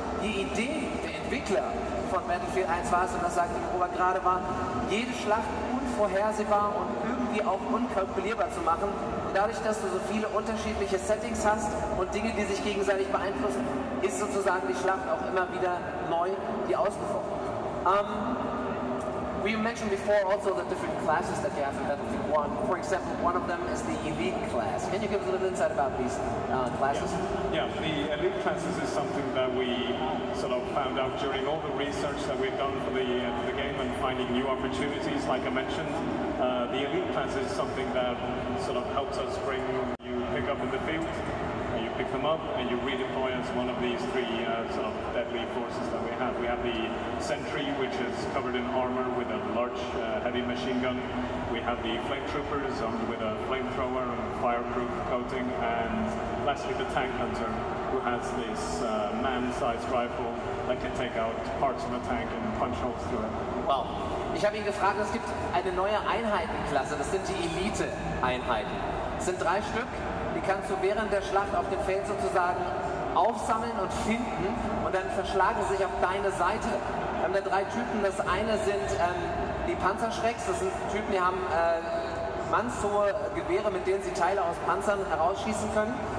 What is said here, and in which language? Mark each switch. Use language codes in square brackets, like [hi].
[de] Die Idee der Entwickler von Battlefield 1 war es, und das sagt die Robert gerade, war, jede Schlacht unvorhersehbar und irgendwie auch unkalkulierbar zu machen. Und dadurch, dass du so viele unterschiedliche Settings hast und Dinge, die sich gegenseitig beeinflussen, ist sozusagen die Schlacht auch immer wieder neu, die ausgefochten. [en] We mentioned before also the different classes that you have in Battlefield 1. For example, one of them is the Elite class. Can you give us a little insight about these classes? Yeah, the Elite classes is something that we sort of found out during all the research that we've done for the game and finding new opportunities, like I mentioned. The Elite class is something that sort of helps us bring new pick pick up in the field, and you pick them up, and you redeploy as one of these three sort of deadly forces that we have. We have the sentry, which is covered in armor with a large heavy machine gun. We have the flame troopers with a flamethrower and fireproof coating. And lastly, the tank hunter, who has this man-sized rifle that can take out parts of a tank and punch holes through it. Wow. [de] Ich habe ihn gefragt, es gibt eine neue Einheitenklasse, das sind die Elite-Einheiten. Es sind drei Stück, die kannst du während der Schlacht auf dem Feld sozusagen aufsammeln und finden und dann verschlagen sie sich auf deine Seite. Wir haben da drei Typen, das eine sind die Panzerschrecks, das sind Typen, die haben mannshohe Gewehre, mit denen sie Teile aus Panzern herausschießen können.